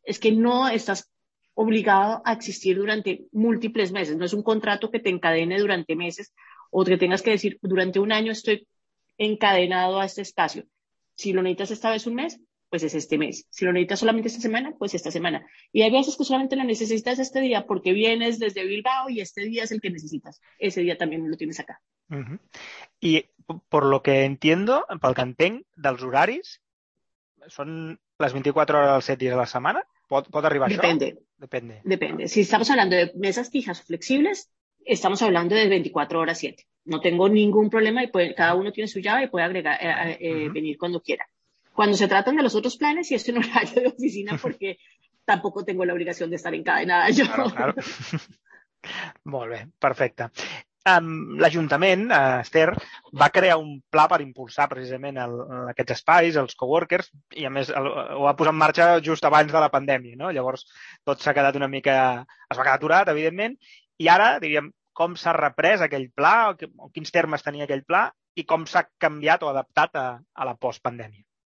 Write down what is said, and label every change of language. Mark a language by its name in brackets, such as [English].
[Spanish] Es que no estás obligado a existir durante múltiples meses. No es un contrato que te encadene durante meses o que tengas que decir durante un año estoy encadenado a este espacio. Si lo necesitas esta vez un mes, pues es este mes. Si lo necesitas solamente esta semana, pues esta semana. Y hay veces que solamente lo necesitas este día porque vienes desde Bilbao y este día es el que necesitas. Ese día también lo tienes acá. Uh-huh. Y por lo que entiendo, [Catalan] pel que entenc, dels horaris, són les 24 hores dels 7 dies a la setmana? ¿Pot arribar [Spanish] Depende. [Catalan] Això? [Spanish] Depende. Depende. Si estamos hablando de mesas fijas o flexibles, estamos hablando de 24 horas 7. No tengo ningún problema y puede, cada uno tiene su llave y puede agregar, venir cuando quiera. Cuando se tratan de los otros planes, y es un horario de oficina, porque tampoco tengo la obligación de estar encadenada yo. Claro, claro. [Catalan] Molt bé, perfecte. L'Ajuntament, Esther, va crear un pla per impulsar precisament aquests espais, els coworkers, i a més ho va posar en marxa just abans de la pandèmia, no? Llavors tot s'ha quedat una mica... Es va quedar aturat, evidentment, i ara, diríem, com s'ha reprès aquell pla, o quins termes tenia aquell pla, i com s'ha canviat o adaptat a la postpandèmia?